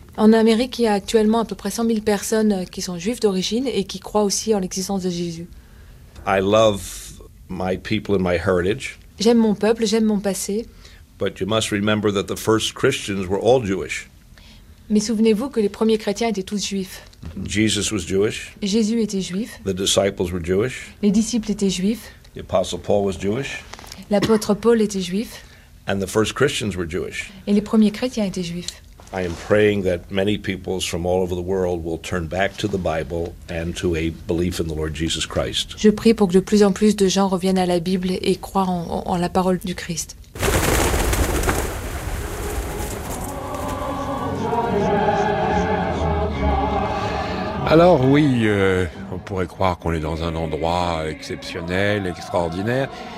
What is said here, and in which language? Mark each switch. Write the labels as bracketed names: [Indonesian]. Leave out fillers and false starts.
[French] En Amérique, il y a actuellement à peu près 100,000 personnes qui sont juives d'origine et qui croient aussi en l'existence de Jésus. [English] I love my people and my heritage. [French] J'aime mon peuple, j'aime mon passé. [English] But you must remember that the first Christians were all Jewish. [French] Mais souvenez-vous que les premiers chrétiens étaient tous juifs. [English] Jesus was Jewish. [French] Jésus était juif. [English] The disciples were Jewish. [French] Les disciples étaient juifs. [English] The apostle Paul was Jewish. [French] L'apôtre Paul était juif. [English] And the first Christians were Jewish. [French] Et les premiers chrétiens étaient juifs. [English] I am praying that many peoples from all over the world will turn back to the Bible and to a belief in the Lord Jesus Christ. [French] Je prie pour que de plus en plus de gens reviennent à la Bible et croient en la parole du Christ. Alors oui, on pourrait croire qu'on est dans un endroit exceptionnel, extraordinaire.